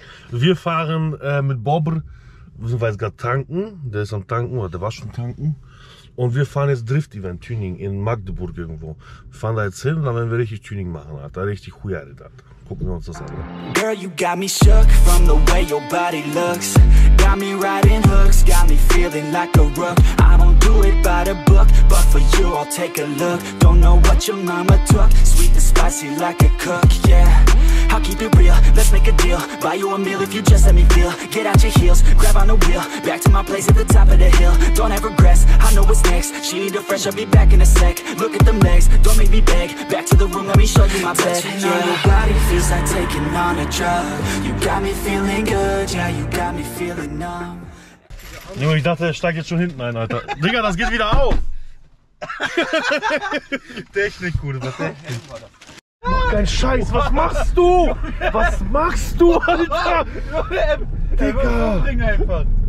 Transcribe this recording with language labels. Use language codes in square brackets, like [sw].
[de] Wir fahren mit Bobr, beziehungsweise gerade tanken. Der ist am Tanken oder der war schon tanken. Und wir fahren jetzt Drift-Event Tuning in Magdeburg irgendwo. Wir fahren da jetzt hin und dann werden wir richtig Tuning machen, Alter. Richtig Huiare da. Gucken wir uns das an. [en] Girl, you got me shook from the way your body looks. Got me riding hooks, got me feeling like a rook. I don't do it by the book, but for you I'll take a look. Don't know what your mama took, sweet and spicy like a cook, yeah. I'll keep it real, let's make a deal. Buy you a meal if you just let me feel. Get out your heels, grab on the wheel. Back to my place at the top of the hill. Don't have regrets, I know what's next. She need a fresh, I'll be back in a sec. Look at them legs, don't make me beg. Back to the room, let me show you my bed. Touching on your body feels like taking on a drug. You got me feeling good, yeah, you got me feeling. [de] Junge, ich dachte, er steigt jetzt schon hinten ein, Alter. Digga, das geht wieder auf! Technik, Kuhle, was Technik? Mach deinen Scheiß, was machst du? Was machst du, Alter? Digga! Ding einfach!